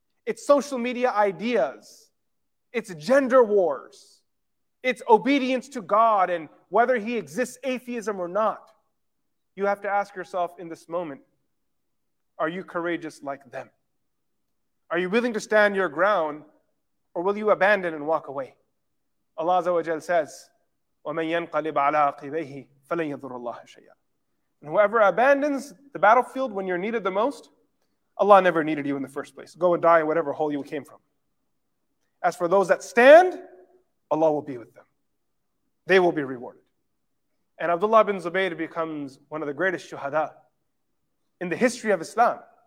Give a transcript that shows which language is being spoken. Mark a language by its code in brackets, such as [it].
[en] It's social media ideas. It's gender wars. It's obedience to God and whether he exists, atheism or not. You have to ask yourself in this moment, are you courageous like them? Are you willing to stand your ground, or will you abandon and walk away? Allah Azza wa Jal says, [ar] وَمَنْ يَنْقَلِبْ عَلَىٰ قِبَيْهِ فَلَنْ يَذُرُ اللَّهَ شَيْئًا. [en] And whoever abandons the battlefield when you're needed the most, Allah never needed you in the first place. Go and die in whatever hole you came from. As for those that stand, Allah will be with them. They will be rewarded. And Abdullah bin Zubayr becomes one of the greatest shuhada in the history of Islam.